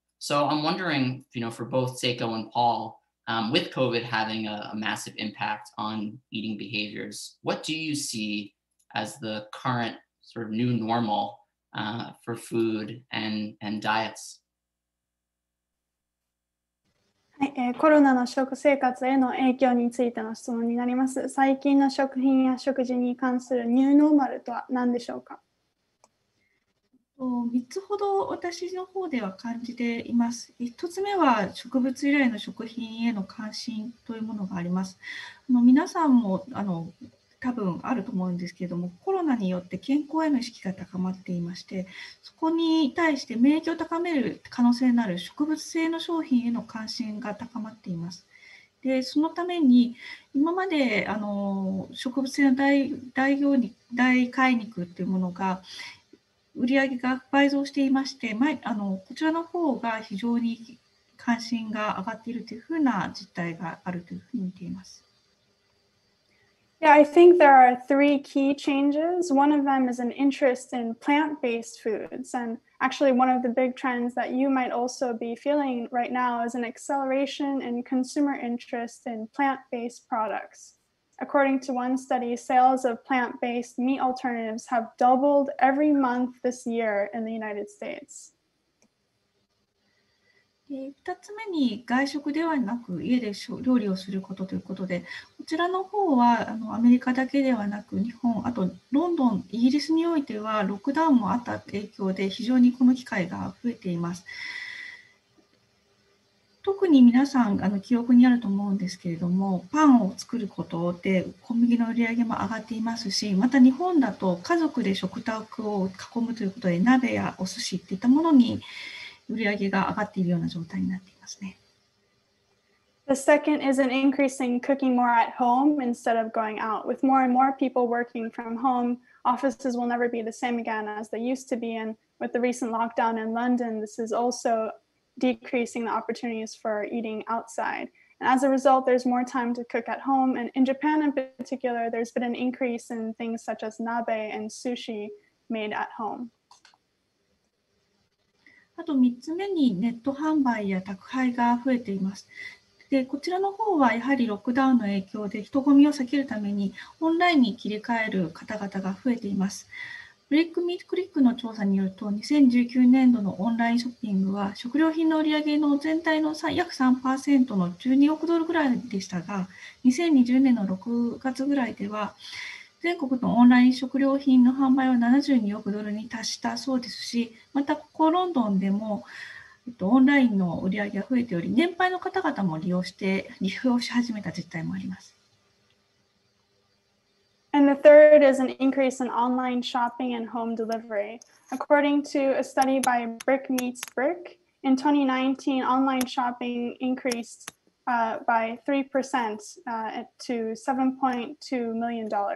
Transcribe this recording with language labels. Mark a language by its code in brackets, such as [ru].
[en] So I'm wondering, you know, for both Seiko and Paul, with COVID having a massive impact on eating behaviors, what do you see as the current sort of new normal for food and diets? [ja] はい、コロナの食生活への影響についての質問になります。最近の食品や食事に関するニューノーマルとは何でしょうか。 3つほど私の方では感じています。 1つ目は植物由来の食品への関心というものがあります。皆さんも多分あると思うんですけれども、コロナによって健康への意識が高まっていまして、そこに対して免疫を高める可能性のある植物性の商品への関心が高まっています。でそのために今まで植物性の 代替肉というものが売り上げが倍増していまして前こちらの方が非常に関心が上がっているというふうな実態があるというふうに見ています。 [en] Yeah, I think there are three key changes. One of them is an interest in plant-based foods. And actually, one of the big trends that you might also be feeling right now is an acceleration in consumer interest in plant-based products. According to one study, sales of plant-based meat alternatives have doubled every month this year in the United States. [ja] 2つ目に外食ではなく家で料理をすることということでこちらの方はアメリカだけではなく日本あとロンドンイギリスにおいてはロックダウンもあった影響で非常にこの機会が増えています特に皆さん記憶にあると思うんですけれどもパンを作ることで小麦の売り上げも上がっていますしまた日本だと家族で食卓を囲むということで鍋やお寿司といったものに売上が上がっているような状態になっていますね。 [en] The second is an increase in cooking more at home instead of going out. With more and more people working from home, offices will never be the same again as they used to be. And with the recent lockdown in London, this is also decreasing the opportunities for eating outside. And as a result, there's more time to cook at home. And in Japan in particular, there's been an increase in things such as nabe and sushi made at home. [ja] あと3つ目にネット販売や宅配が増えています。で、こちらの方はやはりロックダウンの影響で人混みを避けるためにオンラインに切り替える方々が増えています。ブレイクミートクリックの調査によると2019年度のオンラインショッピングは食料品の売上の全体の約 3% の12億ドルぐらいでしたが2020年の6月ぐらいでは全国のオンライン食料品の販売は72億ドルに達したそうですし、またここロンドンでもオンラインの売り上げが増えており、年配の方々も利用し始めた実態もあります。 [en] And the third is an increase in online shopping and home delivery. According to a study by Brick Meets Brick, in 2019, online shopping increased by 3% to $7.2 million.